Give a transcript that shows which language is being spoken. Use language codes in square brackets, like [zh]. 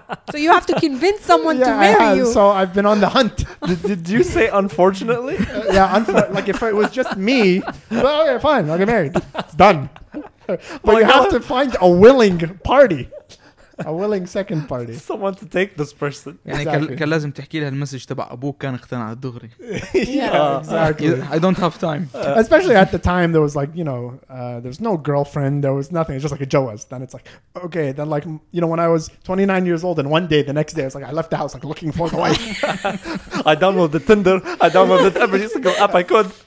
[en] So you have to convince someone to marry you. So I've been on the hunt. Did you say unfortunately? Like if it was just me, well, okay, fine, I'll get married. It's done. But you have to find a willing party. A willing second party. Someone to take this person. [ar] يعني كان لازم تحكي لها المسج تبع أبوك كان اقتنع الدغري. [en] Yeah, exactly. I don't have time. Especially at the time, there was like, there was no girlfriend. There was nothing. It's just like a jawaz. Then it's like, okay. Then like, when I was 29 years old and one day, the next day, it's like I left the house like looking for a wife. I downloaded Tinder. I downloaded every single app I could.